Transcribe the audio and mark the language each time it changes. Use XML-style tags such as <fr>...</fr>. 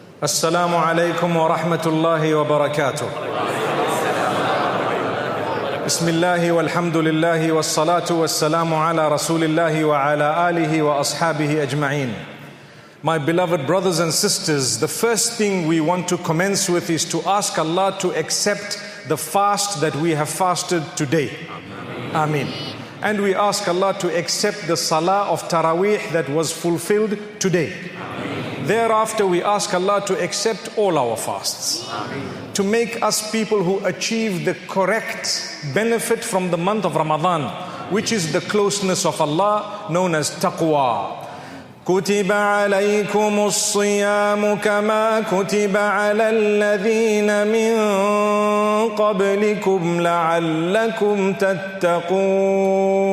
<ar>السلام عليكم ورحمة الله وبركاته. بسم الله والحمد لله والصلاة والسلام على رسول الله وعلى آله وأصحابه أجمعين.</ar> <en>My beloved brothers and sisters, the first thing we want to commence with is to ask Allah to accept the fast that we have fasted today. Ameen. And we ask Allah to accept the salah of Taraweeh that was fulfilled today. Ameen. Thereafter, we ask Allah to accept all our fasts. Ameen. To make us people who achieve the correct benefit from the month of Ramadan, which is the closeness of Allah, known as taqwa.</en> <ar>كتب عليكم الصيام كما كتب على الذين من قبلكم لعلكم تتقون.</ar>